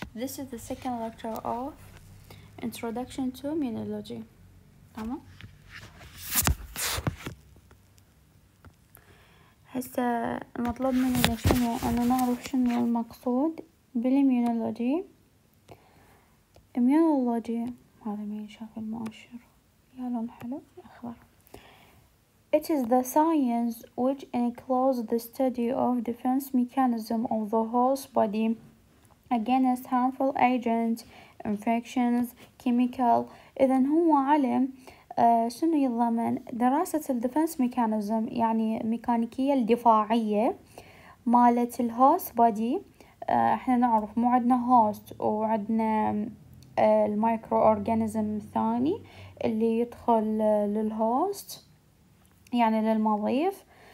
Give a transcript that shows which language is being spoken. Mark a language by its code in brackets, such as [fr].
[en] This is the second lecture of Introduction to Immunology. [ar] تمام؟ هسه المطلوب مننا شنو؟ أن نعرف شنو المقصود بالإميونولوجي. إميونولوجي هذا مين شاف المؤشر؟ يا لون حلو أخضر. [en] It is the science which encloses the study of defense mechanism of the host body against harmful agents, infections, chemical. [ar] إذن هو علم شنو يضمن دراسة الديفنس ميكانيزم يعني ميكانيكية الدفاعية مالت الهوست بادي. احنا نعرف مو عندنا هوست وعندنا المايكرو اورجانيزم الثاني اللي يدخل للهوست يعني للمضيف.